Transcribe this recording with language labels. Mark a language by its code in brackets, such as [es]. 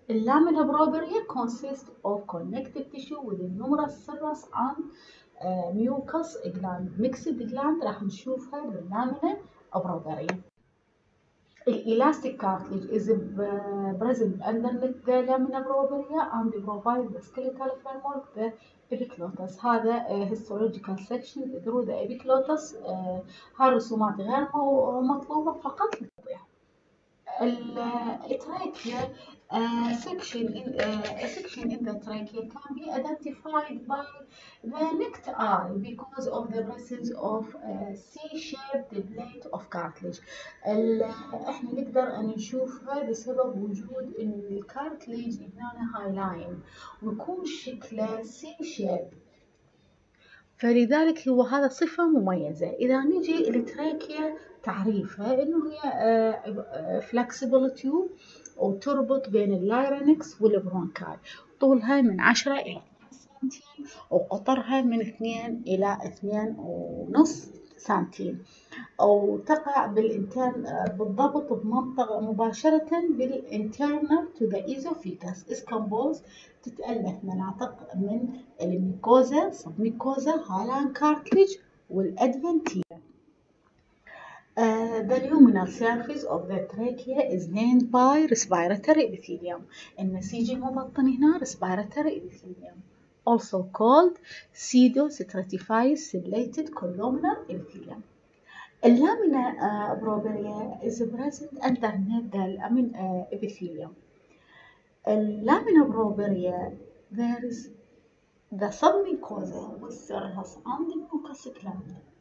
[en] اللامينا propria consist of connective tissue with numerous serous and mucous gland mixed gland, [ar] راح نشوفها باللامينا بروبريا. [en] الإلاستيك cartilage is present underneath the lamina propria and provides the skeletal framework the epiglottis. هذا histological section through the epiglottis. [ar] هاي الرسومات غير مطلوبة، فقط للتوضيح. [en] التراكيا section in the trachea can be identified by the naked eye because of the presence of a C-shaped plate of cartilage. [ar] احنا نقدر ان نشوفها بسبب وجود ان الكارتليج هنا هاي لاين ويكون شكله C-shaped، فلذلك هو هذا صفة مميزة. إذا نجي التراكيا تعريفها إنه هي فلكسيبل تيوب وتربط بين اللايرينكس والبرونكاي، طولها من 10 إلى 12 سنتيم وقطرها من 2 إلى 2.5 سنتيم، وتقع بالإنترن بالضبط بمنطقة مباشرة بالإنترنال تو ذا إيزوفيكس. إز كومبوز، تتألف مناطق من الميكوزا سب ميكوزا هالان كارتليج والأدفنتيرا. [en] The luminal surface of the trachea is named by respiratory epithelium. [ar] النسيج المبطن هنا [en] respiratory epithelium. Also called pseudo-stratified ciliated columnar epithelium. Lamina propria is present underneath the lamina epithelium. Lamina propria, there is the submucosa with serous and the mucous gland.